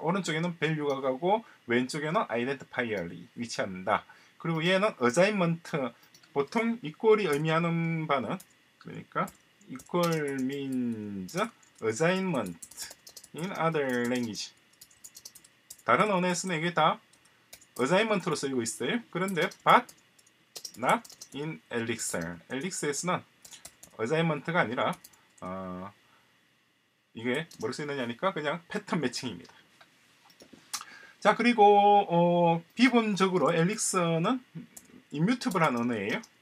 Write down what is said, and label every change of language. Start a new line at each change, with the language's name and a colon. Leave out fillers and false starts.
Korean: 오른쪽에는 value가 가고 왼쪽에는 identifier이 위치한다. 그리고 얘는 assignment 보통 equal이 의미하는 바는 그러니까
English: equal means assignment in other language
Korean: 다른 언어에서는 이게 다 assignment로 쓰이고 있어요. 그런데
English: but not in Elixir.
Korean: Elixir에서는 assignment가 아니라 이게 뭐로 쓰이느냐 하니까 그냥 pattern matching입니다. 자 그리고 기본적으로 Elixir는 immutable한 언어예요.